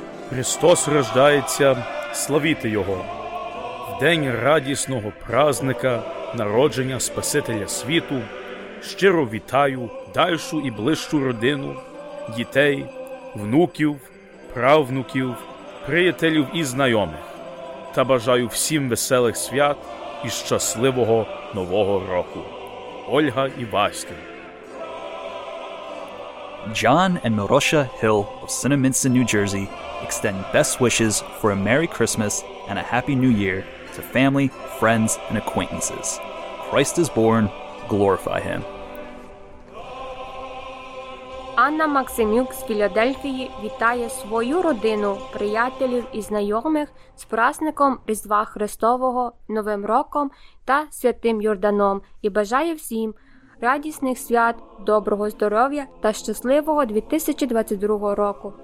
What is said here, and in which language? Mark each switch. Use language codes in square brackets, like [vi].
[uk] Христос рождається, славіте Його! В день радісного праздника народження Спасителя світу щиро вітаю дальшу і ближчу родину, дітей, внуків, правнуків, приятелів і знайомих, та бажаю всім веселих свят і щасливого Нового року. Ольга і Васька. [en] John and Marosha Hill of Cinnaminson, New Jersey, extend best wishes for a Merry Christmas and a Happy New Year to family, friends, and acquaintances. Christ is born. Glorify Him. [uk] Анна Максимюк з Філадельфії вітає свою родину, приятелів і знайомих з праздником Різдва Христового, Новим Роком та Святим Йорданом і бажає всім радісних свят, доброго здоров'я та щасливого 2022 року.